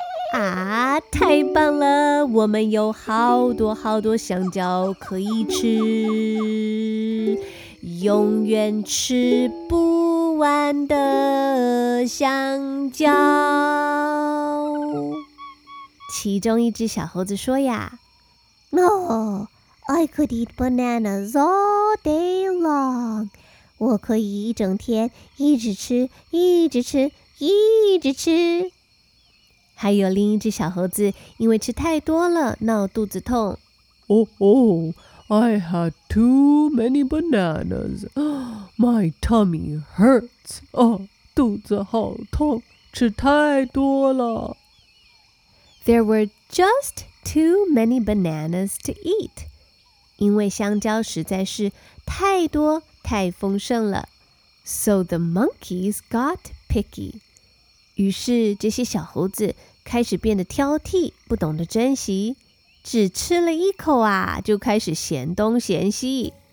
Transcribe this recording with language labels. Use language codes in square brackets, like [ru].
[zh] 啊，太棒了，我们有好多好多香蕉可以吃，永远吃不完的香蕉。其中一只小猴子说呀 [en] No, I could eat bananas all day long. [zh] 我可以一整天一直吃，一直吃，一直吃。还有另一只小猴子因为吃太多了闹肚子痛。 [en] I had too many bananas. My tummy hurts. [zh] 肚子好痛，吃太多了。 [en] There were just too many bananas to eat. [zh] 因为香蕉实在是太多太丰盛了。 [en] So the monkeys got picky. [zh] 于是这些小猴子开始变得挑剔，不懂得珍惜。只吃了一口啊，就开始嫌东嫌西。